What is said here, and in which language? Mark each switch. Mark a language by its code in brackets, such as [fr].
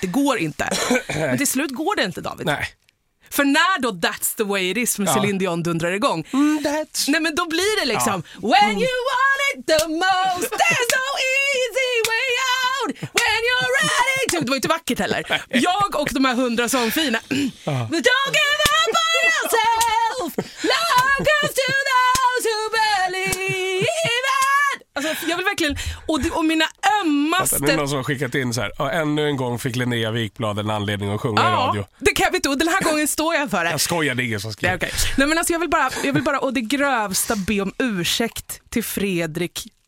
[sv] Det går inte. Men till slut går det inte, David. Nej. För när då That's the way it is med Celine Dion dundrar igång. Nej, men då blir det liksom [en] when you want it the most, there's no easy way out when you're ready to. [sv] Det var inte vackert heller. Jag och de här 100 sångfina. [en] Don't give up on yourself. Love comes to those who believe it. [sv] Alltså, jag vill verkligen, och mina ömmaste... Det är någon som har skickat in så här, ännu en gång fick Linnea Wikblad en anledning att sjunga i radio. Det kan jag inte, och den här gången står jag för det. Jag skojar, det är ingen som skriver. [en] Okay. [sv] Nej, men alltså, jag vill bara, och det grövsta, be om ursäkt till Fredrik